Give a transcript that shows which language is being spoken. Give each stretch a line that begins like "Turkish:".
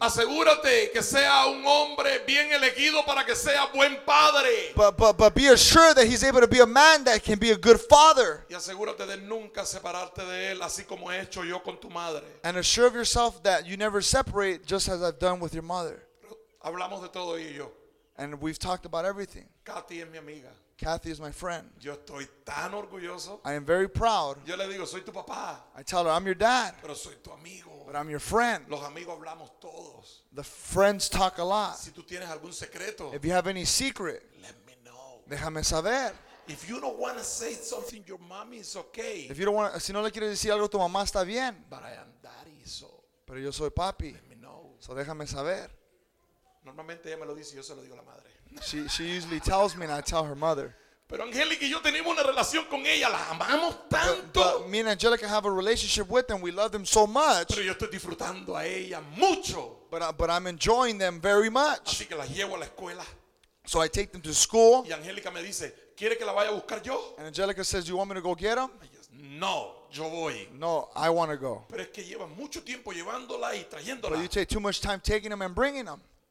Spanish: Asegúrate que sea un hombre bien elegido para que sea buen padre.
English: But be assured that he's able to be a man that can be a good father.
Spanish: Y asegúrate de nunca separarte de él así como he hecho yo con tu madre.
English: And assure of yourself that you never separate just as I've done with your mother.
Spanish: Hablamos de todo y yo.
English: And we've talked about everything.
Spanish: Kathy es mi amiga.
English: Kathy is my friend.
Spanish: Yo estoy tan orgulloso.
English: I am very proud.
Spanish: Yo le digo, soy tu papá.
English: I tell her, I'm your dad.
Spanish: Pero soy tu amigo.
English: But I'm your friend.
Spanish: Los amigos hablamos todos.
English: The friends talk a lot.
Spanish: Si tú tienes algún secreto,
English: if you have any secret, let me know.
Spanish: Déjame saber.
English: If you don't want to say something, your mommy is okay. If you don't want,
Spanish: si no le quieres decir algo, tu mamá está bien.
English: But I am daddy, so.
Spanish: Pero yo soy papi.
English: Let me know.
Spanish: So déjame saber. Normalmente ella me lo dice y yo se lo digo a la madre.
English: She usually tells me and I tell her mother.
Spanish: Pero Angélica y yo tenemos una relación con ella, la amamos tanto.
English: But me and Angélica have a relationship with them, we love them so much.
Spanish: Pero yo estoy disfrutando a ella mucho.
English: But I'm enjoying them very much.
Spanish: Así que las llevo a la escuela.
English: So I take them to school.
Spanish: Y Angélica me dice, ¿quiere que la vaya a buscar yo?
English: And Angélica says, you want me to go get them?
Spanish: No, yo voy.
English: No, I want to go.
Spanish: Pero es que lleva mucho tiempo llevándola y trayéndola.
English: But you take too much time taking them and bringing them.